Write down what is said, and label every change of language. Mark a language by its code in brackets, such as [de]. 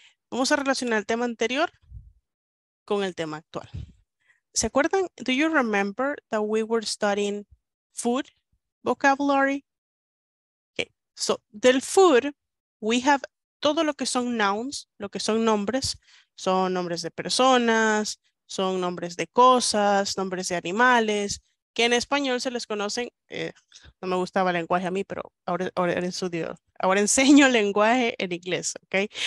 [es] Vamos a relacionar el tema anterior con el tema actual. ¿Se acuerdan? [en] Do you remember that we were studying food vocabulary? Okay, so [es] del food, [en] we have [es] todo lo que son nouns, lo que son nombres de personas, son nombres de cosas, nombres de animales, que en español se les conocen, no me gustaba el lenguaje a mí, pero ahora enseño lenguaje en inglés, okay?